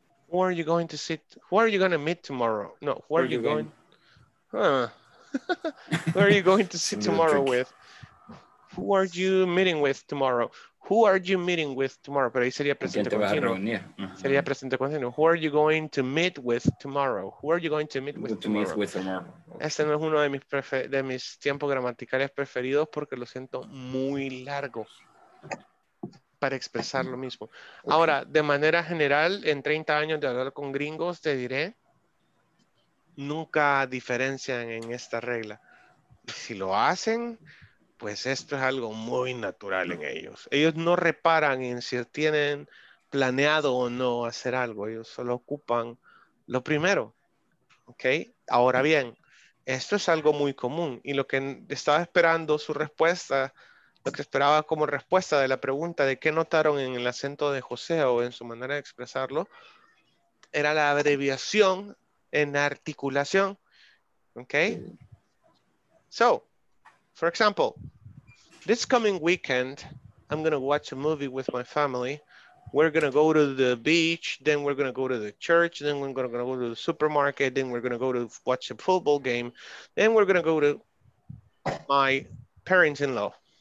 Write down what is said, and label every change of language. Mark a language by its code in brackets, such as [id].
[en] Who are you going to see tomorrow with? Who are you meeting with tomorrow? Who are you meeting with tomorrow? [es] Pero ahí sería presente continuo. Uh-huh. Sería presente continuo. [en] Who are you going to meet with tomorrow? Who are you going to meet with tomorrow? [es] Este no es uno de mis tiempos gramaticales preferidos porque lo siento muy largo para expresar lo mismo. Okay. Ahora, de manera general, en 30 años de hablar con gringos, te diré, nunca diferencian en esta regla. Si lo hacen, pues esto es algo muy natural en ellos. Ellos no reparan en si tienen planeado o no hacer algo. Ellos solo ocupan lo primero. ¿Okay? Ahora bien, esto es algo muy común. Y lo que estaba esperando su respuesta, lo que esperaba como respuesta de la pregunta de qué notaron en el acento de José o en su manera de expresarlo, era la abreviación en articulación. ¿Okay? [en] So, for example, this coming weekend, I'm going to watch a movie with my family. We're going to go to the beach, then we're going to go to the church, then we're going to go to the supermarket, then we're going to go to watch a football game, then we're going to go to my parents-in-law.